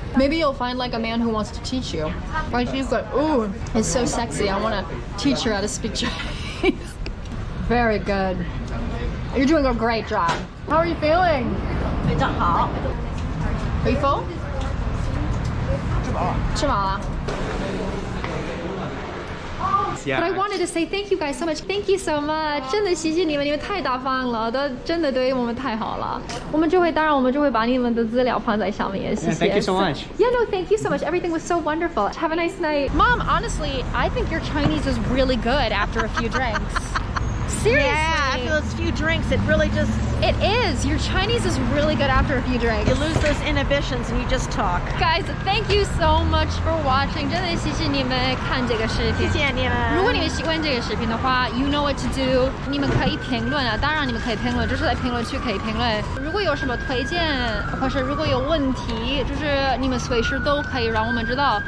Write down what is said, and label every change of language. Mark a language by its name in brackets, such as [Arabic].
[English] Maybe you'll find like a man who wants to. Teach you. Like she's like, ooh, it's so sexy. I want to teach her how to speak Chinese. Very good. You're doing a great job. How are you feeling? It's not hot. Are you full? Chamala. Yeah, but I wanted to say thank you guys so much. Thank you so much. [Chinese] 真的谢谢你们，你们太大方了，都真的对我们太好了。我们就会，当然我们就会把你们的资料放在上面。谢谢。 [English] Yeah, thank you so much. Yeah, no, thank you so much. Everything was so wonderful. Have a nice night. Mom, honestly, I think your Chinese is really good after a few drinks. Seriously. Yeah, after those few drinks, it really just... It is. Your Chinese is really good after a few drinks. You lose those inhibitions and you just talk. Guys, thank you so much for watching. [Chinese] 真的谢谢你们看这个视频。谢谢你们。如果你们喜欢这个视频的话， [English] you know what to do. [Chinese] 你们可以评论啊，当然你们可以评论，就是在评论区可以评论。如果有什么推荐，或是如果有问题，就是你们随时都可以让我们知道。